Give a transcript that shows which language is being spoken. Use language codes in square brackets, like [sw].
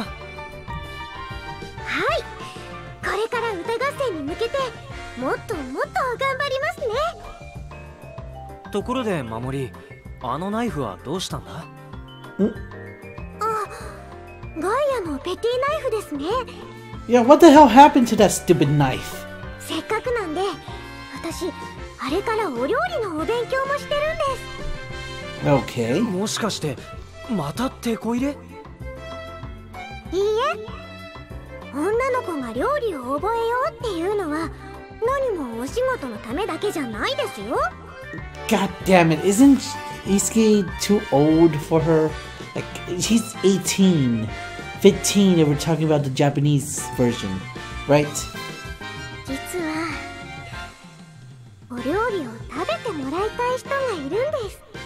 [ja] はい、これから歌合戦に向けてもっともっと頑張りますね。ところで守り、あのナイフはどうしたんだ？ん？あ、ガイアのペティナイフですね。 [en] Yeah, what the hell happened to that stupid knife? [ja] せっかくなんで、私あれからお料理のお勉強もしてるんです。 [en] Okay. [ja] もしかしてまたテコ入れ？いいえ、女の子が料理を覚えようっていうのは何もお仕事のためだけじゃないですよ。 [en] God damn it, isn't Isuki too old for her? Like, she's 18, 15 if we're talking about the Japanese version, right? [ja] 実はお料理を食べてもらいたい人がいるんです。